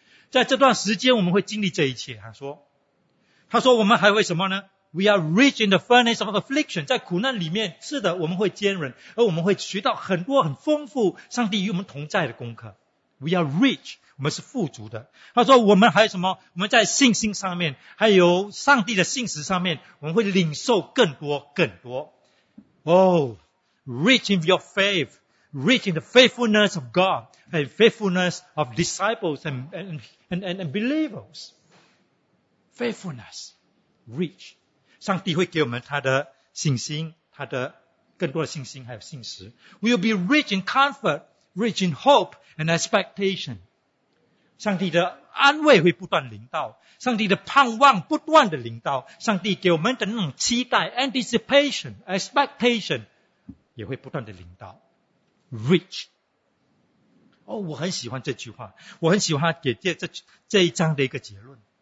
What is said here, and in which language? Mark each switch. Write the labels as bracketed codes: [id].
[zh] 在这段时间我们会经历这一切，他说我们还会什么呢？ [en] We are rich in the furnace of affliction. [zh] 在苦难里面，是的，我们会坚忍，而我们会学到很多很丰富上帝与我们同在的功课。 [en] We are rich, [zh] 我们是富足的。他说我们还有什么？我们在信心上面，还有上帝的信实上面，我们会领受更多更多。 [en] Oh, rich in your faith, rich in the faithfulness of God, and faithfulness of disciples and believers. Faithfulness, rich. [zh] 上帝会给我们他的信心，他的更多的信心还有信实。 [en] We'll be rich in comfort,Rich in hope and expectation. [zh] 上帝的安慰会不断临到，上帝的盼望不断的临到，上帝给我们的那种期待 [en] anticipation, expectation [zh] 也会不断的临到。 [en] Rich. [zh] 哦，我很喜欢这句话，我很喜欢给这一章的一个结论。